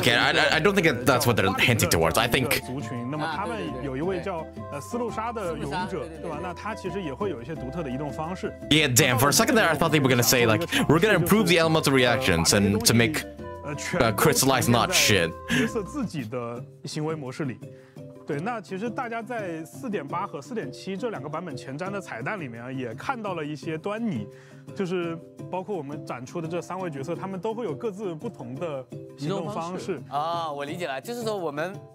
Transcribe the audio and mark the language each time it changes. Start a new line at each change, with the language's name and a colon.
English: OK，I don't think that's what they're hinting towards. I think
Chinese: 族群，那么他们有一位叫斯路莎的勇者，对吧？那他其实也会有一些独特的移动方式。Yeah,
English: damn. For a second there, I thought they were gonna say like we're gonna improve the elements of reactions and to make crystallize not shit.
Chinese: 角色自己的行为模式里，对，那其实大家在4.8和4.7这两个版本前瞻的彩蛋里面也看到了一些端倪，就是包括我们展出的这三位角色，他们都会有各自不同的移动方式。啊，我理解了，就是说我们